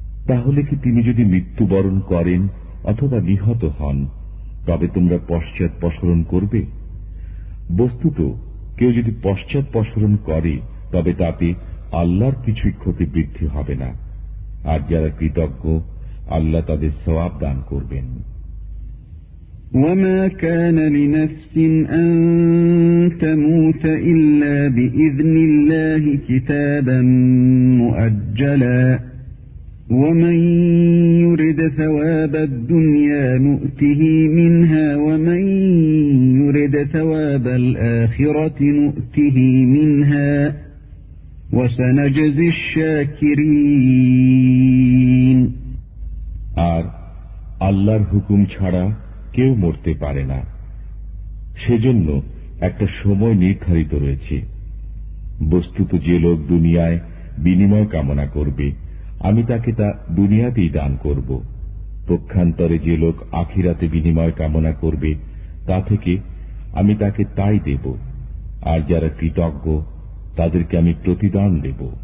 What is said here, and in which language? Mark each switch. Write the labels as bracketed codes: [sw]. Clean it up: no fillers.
[bn] তাহলে কি তিনি যদি মৃত্যুবরণ করেন অথবা নিহত হন তবে তোমরা পশ্চাৎপসরণ করবে? বস্তুত কেউ যদি পশ্চাৎপসরণ করে তবে তাতে আল্লাহর কিছুই ক্ষতি বৃদ্ধি হবে না, আর যারা কৃতজ্ঞ আল্লাহ তাদের সওয়াব দান করবেন। [ar] وما كان لنفس أن تموت إلا بإذن الله كتابا مؤجلا ومن يرد ثواب الدنيا نؤته منها ومن يرد ثواب الآخرة نؤته منها وسنجزي الشاكرين [bn] আর আল্লাহর হুকুম ছাড়া কেউ মরতে পারে না, সেজন্য একটা সময় নির্ধারিত রয়েছে। বস্তুত যে লোক দুনিয়ায় বিনিময় কামনা করবে আমি তাকে তা দুনিয়াতেই দান করব, পক্ষান্তরে যে লোক আখিরাতে বিনিময় কামনা করবে তা থেকে আমি তাকে তাই দেব, আর যারা কৃতজ্ঞ তাদেরকে আমি প্রতিদান দেব।